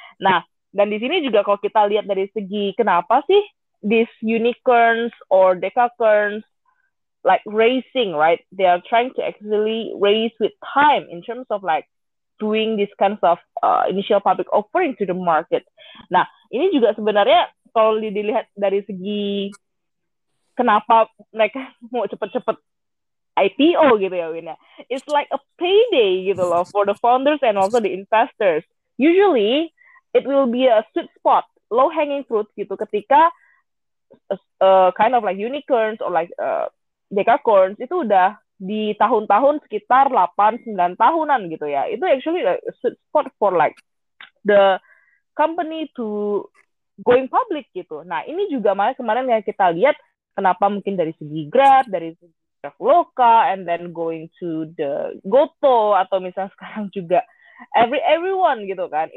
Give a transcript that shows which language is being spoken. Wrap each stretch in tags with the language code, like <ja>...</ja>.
<id>Nah, dan di sini juga kalau kita lihat dari segi kenapa sih</id> <en>these unicorns or decacorns like racing, right? They are trying to actually race with time in terms of like doing this kinds of initial public offering to the market.</en> <id>Nah, ini juga sebenarnya kalau dilihat dari segi kenapa mereka mau cepet-cepet IPO gitu ya, Winnya.</id> <en>It's like a payday</en> <id>gitu loh</id> <en>for the founders and also the investors. Usually, it will be a sweet spot, low hanging fruit</en> <id>gitu ketika</id> <en>kind of like unicorns or like decacorns</en> <id>itu udah di tahun-tahun sekitar 8-9 tahunan gitu ya.</id> <en>Itu actually a sweet spot for like the company to going public</en> <id>gitu. Nah, ini juga malah kemarin yang kita lihat kenapa mungkin dari segi Grab, dari segi Traveloka,</id> <en>and then going to the</en> <id>GoTo, atau misalnya sekarang juga everyone gitu kan.</id>